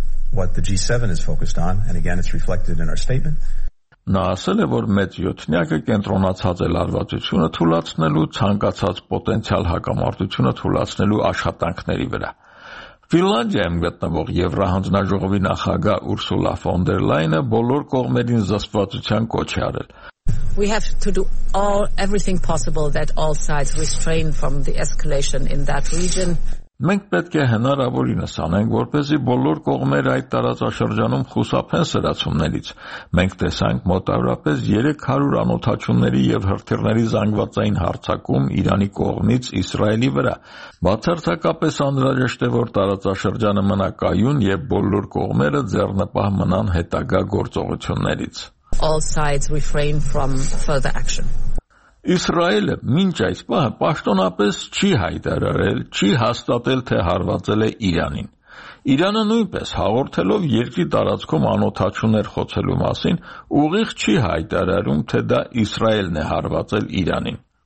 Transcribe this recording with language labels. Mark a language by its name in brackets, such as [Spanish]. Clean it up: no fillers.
[English] What the G7 is focused on, and again, it's reflected in our statement. [Armenian] Նա ասել է, որ մեծ յոթնյակը կենտրոնացած է լարվածությունը թուլացնելու, ցանկացած պոտենցիալ հակամարտությունը թուլացնելու աշխատանքների վրա։ Ֆինլանդիայում գտնվող Եվրահանձնաժողովի նախագահ Ուրսուլա ֆոն դեր Լայնը բոլոր կողմերին զսպվածության կոչ է արել։ [English] We have to do everything possible that all sides restrain from the escalation in that region. [Armenian] Մենք պետք է հնարավորինս անենք, որպեսզի բոլոր կողմերը այդ տարածաշրջանում խուսափեն սրացումներից։ Մենք տեսանք մոտավորապես 300 անօթաչունների եւ հրթիռների զանգվածային հարձակում Իրանի կողմից Իսրայելի վրա։ Բացարձակապես անհրաժեշտ է, որ տարածաշրջանը մնա կայուն եւ բոլոր կողմերը ձեռնպահ մնան հետագա գործողություններից։ [English] All sides refrain from further action. [Armenian] Իսրայելը մինչ այս պահը պաշտոնապես չի հայտարարել, չի հաստատել, թե հարվածել է Իրանին։ Իրանը նույնպես հաղորդելով երկրի տարածքում անօթաչուներ խոցելու մասին, ուղիղ չի հայտարարում, թե դա Իսրայելն է հարվածել Իրանին։